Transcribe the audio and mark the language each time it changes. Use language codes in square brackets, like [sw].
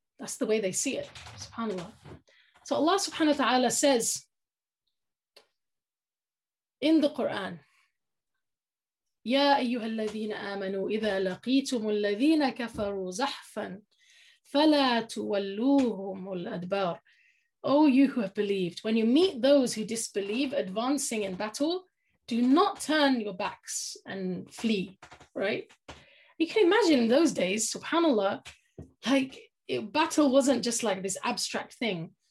[en] That's the way they see it, subhanAllah. So Allah subhanahu wa ta'ala says in the Quran, [ar] يَا أَيُّهَا الَّذِينَ آمَنُوا إِذَا لَقِيتُمُ الَّذِينَ كَفَرُوا زَحْفًا فَلَا تُوَلُّوهُمُ الْأَدْبَارِ. [en] Oh, you who have believed, when you meet those who disbelieve advancing in battle, do not turn your backs and flee, right? You can imagine in those days, subhanAllah, like battle wasn't just like this abstract thing.